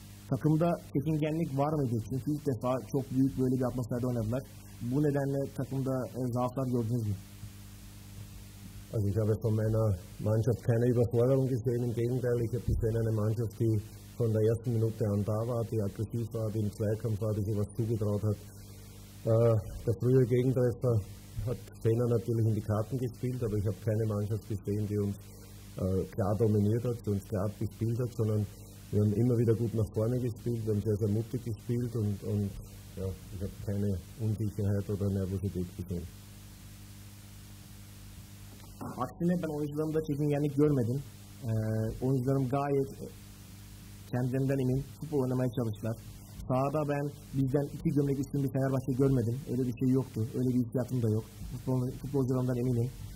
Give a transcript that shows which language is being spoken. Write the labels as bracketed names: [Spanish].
[Turkish] Takımda çekingenlik var mıydı? Çünkü ilk defa çok büyük böyle bir atmosferde oynadılar. Bu nedenle takımda zaaflar gördünüz mü? [German] Also ich habe von meiner Mannschaft keine Überforderung gesehen. Im Gegenteil, ich habe gesehen eine Mannschaft, die von der ersten Minute an da war, die aggressiv war, die im Zweikampf war, die sich was zugetraut hat. Der frühe Gegentreffer hat Trainer natürlich in die Karten gespielt, aber ich habe keine Mannschaft gesehen, die uns klar dominiert hat, die uns klar gespielt hat, sondern wir haben immer wieder gut nach vorne gespielt, wir haben sehr, sehr mutig gespielt und ja, ich habe keine Unsicherheit oder Nervosität gesehen. [Turkish] Aksine ben oyuncularımda çekingenlik görmedim. Oyuncularım gayet kendilerinden emin futbol oynamaya çalıştılar. Sahada ben bizden iki gömlek üstün bir Fenerbahçe görmedim. Öyle bir şey yoktu. Öyle bir hissiyatım da yok. Futbolcularımdan eminim.